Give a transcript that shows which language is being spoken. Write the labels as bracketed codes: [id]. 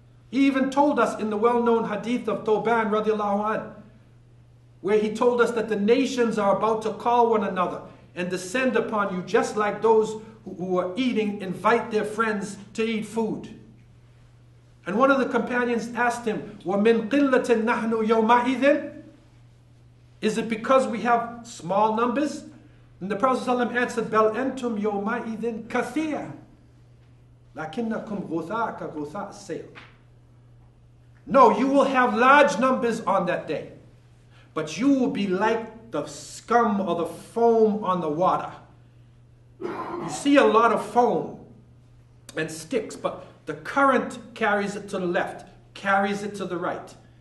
[en] He even told us in the well-known hadith of Thoban radiallahu anh, where he told us that the nations are about to call one another and descend upon you, just like those who are eating invite their friends to eat food. And one of the companions asked him, [ar] وَمِنْ قِلَّةٍ نَحْنُ يَوْمَئِذٍ. [en] Is it because we have small numbers? And the Prophet ﷺ answered, [ar] بَلْ أَنْتُمْ يَوْمَئِذٍ كَثِيرٌ لَكِنَّكُمْ غُثَاءَ كَغُثَاءَ السَّيْلِ. [en] No, you will have large numbers on that day, but you will be like the scum or the foam on the water. You see a lot of foam and sticks, but the current carries it to the left, carries it to the right.